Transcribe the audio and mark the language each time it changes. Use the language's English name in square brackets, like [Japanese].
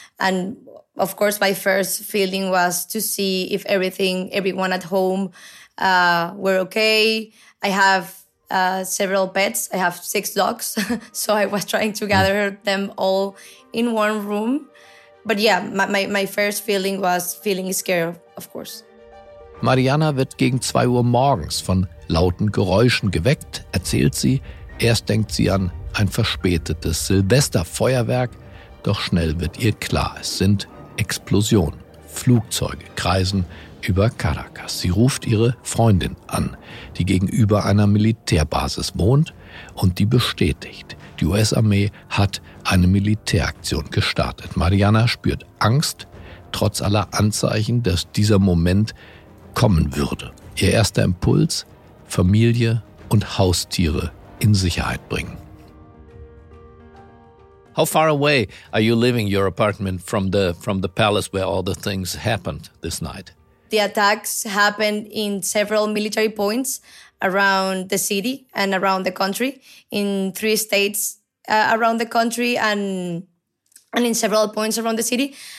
[English] And of course, my first feeling was to see if everyone at home were okay. I have several pets. I have 6 dogs. So I was trying to gather them all in one room. But yeah, my first feeling was feeling scared, of course. [German] Mariana wird gegen 2 Uhr morgens von lauten Geräuschen geweckt, erzählt sie. Erst denkt sie an ein verspätetes Silvesterfeuerwerk. Doch schnell wird ihr klar, es sind Explosionen. Flugzeuge kreisen über Caracas. Sie ruft ihre Freundin an, die gegenüber einer Militärbasis wohnt, und die bestätigt, die US-Armee hat eine Militäraktion gestartet. Mariana spürt Angst, trotz aller Anzeichen, dass dieser Moment kommen würde. Ihr erster Impuls: Familie und Haustiere in Sicherheit bringen. [English] How far away are you leaving your apartment from the palace where all the things happened this night? The attacks happened in several military points around the city and around the country, in three states around the country and in several points around the city.